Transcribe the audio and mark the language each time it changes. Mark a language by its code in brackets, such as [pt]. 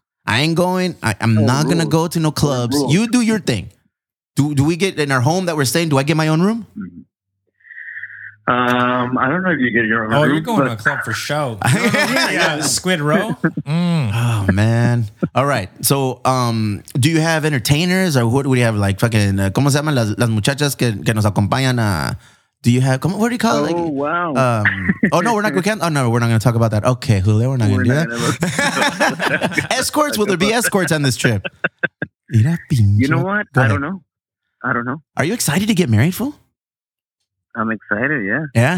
[en] I'm not going to go to no clubs. You do your thing. Do we get in our home that we're staying? Do I get my own room? I don't know if you get your own room. Oh, you're going to a club for show. Squid Row? Mm. Oh, man. All right. So do you have entertainers or what do you have? [es] Like fucking, ¿cómo se llaman las muchachas que nos acompañan? [en] Do you have, what do you call it? Oh, wow. We're not going to talk about that. Okay, Julio, we're not going to do that. Escorts? Will there be escorts on this trip? You know what? I don't know. Are you excited to get married, fool? I'm excited, yeah.